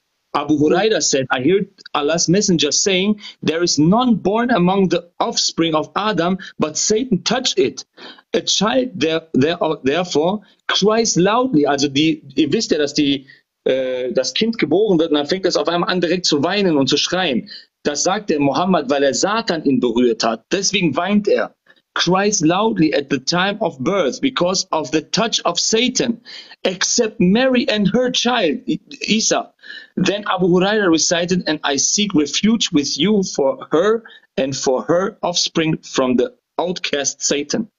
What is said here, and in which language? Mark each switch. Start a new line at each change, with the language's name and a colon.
English: Abu Huraira said, I heard Allah's messenger saying, there is none born among the offspring of Adam, but Satan touched it. A child therefore cries loudly.
German: Also ihr wisst ja, dass das Kind geboren wird und dann fängt es auf einmal an, direkt zu weinen und zu schreien. Das sagt der Mohammed, weil er Satan ihn berührt hat. Deswegen weint er.
English: Cries loudly at the time of birth because of the touch of Satan, except Mary and her child, Isa. Then Abu Huraira recited, and I seek refuge with you for her and for her offspring from the outcast Satan.